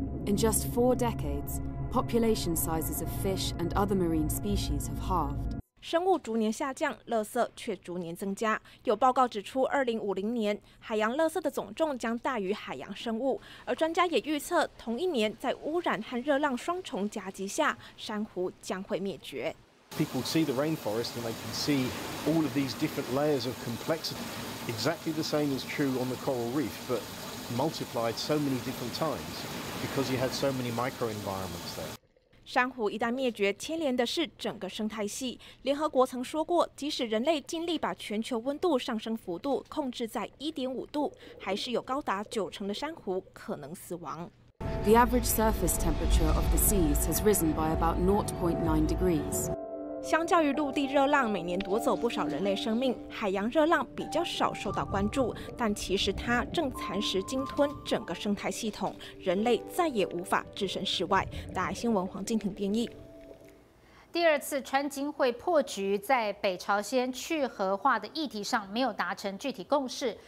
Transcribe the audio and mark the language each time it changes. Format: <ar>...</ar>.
<en>In just 4 decades, population sizes of fish and other marine species have halved.</en> <zh>生物逐年下降，垃圾却逐年增加。有报告指出，2050年海洋垃圾的总重将大于海洋生物。而专家也预测，同一年在污染和热浪双重夹击下，珊瑚将会灭绝。</zh> <en>People see the rainforest and they can see all of these different layers of complexity. Exactly the same is true on the coral reef, but multiplied so many different times because you had so many microenvironments there.</en> <zh>珊瑚一旦灭绝，牵连的是整个生态系。联合国曾说过，即使人类尽力把全球温度上升幅度控制在1.5度，还是有高达90%的珊瑚可能死亡。</zh> <en>The average surface temperature of the seas has risen by about 0.9 degrees.</en> <zh>相较于陆地热浪每年夺走不少人类生命，海洋热浪比较少受到关注，但其实它正蚕食鲸吞整个生态系统，人类再也无法置身事外。大爱新闻黄敬婷编译。第二次川金会破局，在北朝鲜去核化的议题上没有达成具体共识。</zh>